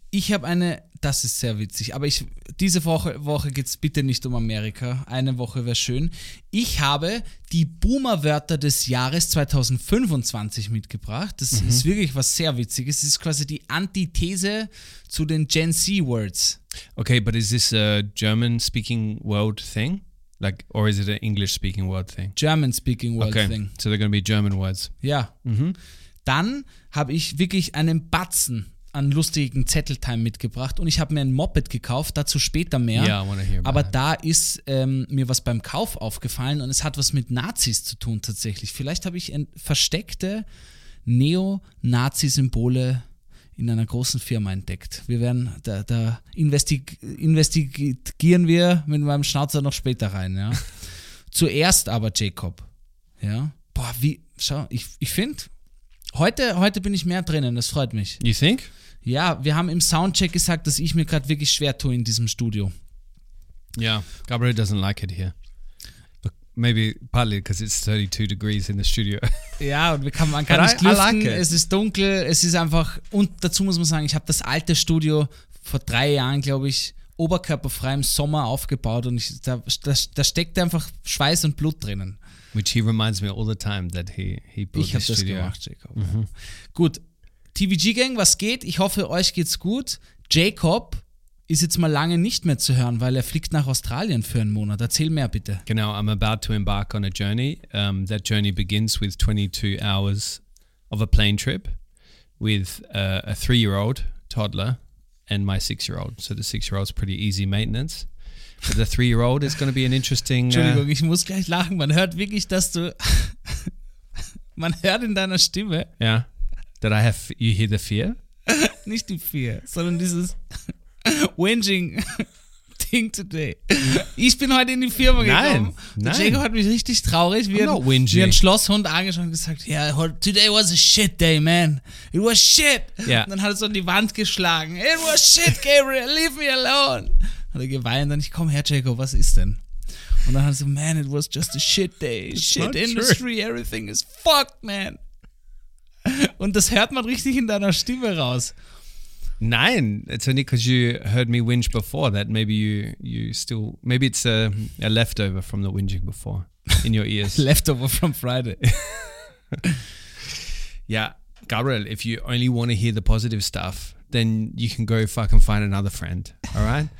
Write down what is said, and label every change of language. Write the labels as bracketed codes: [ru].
[de] Ich habe eine, das ist sehr witzig, aber diese Woche geht es bitte nicht um Amerika. Eine Woche wäre schön. Ich habe die Boomer-Wörter des Jahres 2025 mitgebracht. Das ist wirklich was sehr Witziges. Es ist quasi die Antithese zu den Gen Z-Words. [en] Okay, but is this a German-speaking-world thing? Like, or is it an English-speaking word thing? German-speaking word okay. thing. Okay, so they're going to be German words. [de] Ja. Mm-hmm. Dann habe ich wirklich einen Batzen an lustigen Zettel-Time mitgebracht und ich habe mir ein Moped gekauft, dazu später mehr. [en] Yeah, I want to hear about [de] Aber [en] it. [de] Da ist mir was beim Kauf aufgefallen und es hat was mit Nazis zu tun tatsächlich. Vielleicht habe ich versteckte Neo-Nazi-Symbole in einer großen Firma entdeckt. Wir werden, da investigieren wir mit meinem Schnauzer noch später rein, ja. Zuerst aber, Jacob, ja. Boah, ich finde, heute bin ich mehr drinnen, das freut mich. [en] You think? [de] Ja, wir haben im Soundcheck gesagt, dass ich mir gerade wirklich schwer tue in diesem Studio. [en] Ja, yeah, Gabriel doesn't like it here. Maybe partly because it's 32 degrees in the studio. [de] Ja, und wir kann man gar nicht lüften. Like es ist dunkel, es ist einfach, und dazu muss man sagen, ich habe das alte Studio vor 3 Jahren, glaube ich, oberkörperfrei im Sommer aufgebaut und da steckt einfach Schweiß und Blut drinnen. [en] Which he reminds me all the time that he built [de] ich [en] this studio. [de] Ich habe das gemacht, Jacob. Mm-hmm. Gut, TVG Gang, was geht? Ich hoffe, euch geht's gut. Jacob ist jetzt mal lange nicht mehr zu hören, weil er fliegt nach Australien für einen Monat. Erzähl mehr, bitte. [en] Genau, I'm about to embark on a journey. That journey begins with 22 hours of a plane trip with a 3-year-old toddler and my 6-year-old. So the 6-year-old is pretty easy maintenance. But the 3-year-old is going to be an interesting... [de] Entschuldigung, ich muss gleich lachen. Man hört wirklich, dass du... Man hört in deiner Stimme... [en] Ja, yeah. That I have... You hear the fear? [de] Nicht die [en] fear, [de] sondern dieses... [en] Whinging thing today. [de] Ich bin heute in die Firma gekommen. Nein. Jacob hat mich richtig traurig wie ein Schlosshund angeschaut und gesagt, [en] yeah, today was a shit day, man. It was shit. Yeah. [de] Und dann hat er so an die Wand geschlagen. [en] It was shit, Gabriel, leave me alone. [de] Hat er geweint und dann, ich komm her, Jacob, was ist denn? Und dann hat er so, [en] man, it was just a shit day. Shit industry, true. Everything is fucked, man. [de] Und das hört man richtig in deiner Stimme raus. [en] Nein, it's only because you heard me whinge before that maybe you still, maybe it's a leftover from the whinging before in your ears. Leftover from Friday. Yeah, Gabriel, if you only want to hear the positive stuff, then you can go fucking find another friend, all right?